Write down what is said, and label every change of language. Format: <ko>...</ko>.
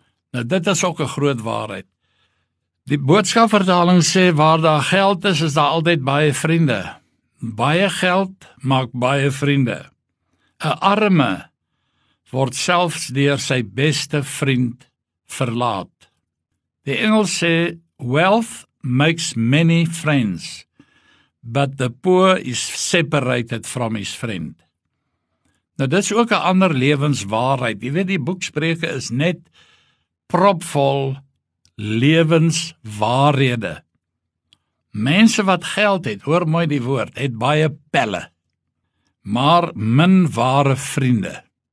<af>Nou dit is ook 'n groot waarheid. Die boodskapvertaling sê, waar daar geld is, is daar altyd baie vriende. Baie geld maak baie vriende. 'N arme word selfs deur sy beste vriend verlaat. Die Engels sê,</af> <en>wealth makes many friends, but the poor is separated from his friend.</en> <af>Nou, dit is ook 'n ander lewenswaarheid. Jy weet, die boek Spreuke is net propvol lewenswaarhede. Mense wat geld het, hoor mooi die woord, het baie pelle, maar min ware vriende.</af>